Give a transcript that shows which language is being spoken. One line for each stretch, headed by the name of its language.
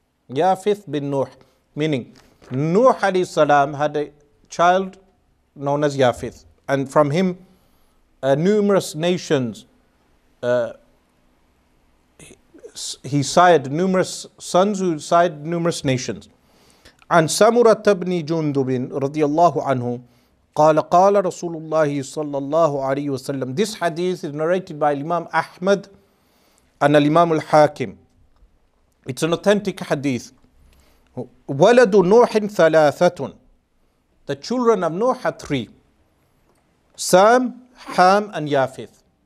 English: Yafith bin Nuh, meaning Nuh alayhi salam had a child known as Yafith. And from him, numerous nations, he sired numerous sons who sired numerous nations.
Arabic: عن سمرة بن جندب رضي الله عنه قال قال رسول الله صلى الله عليه وسلم.
English: This hadith is narrated by Imam Ahmad and Imam al-Hakim. It's an authentic hadith.
Arabic: ولد نوح ثلاثة.
English: The children of Noah had three: Sam, Ham, and Yafith.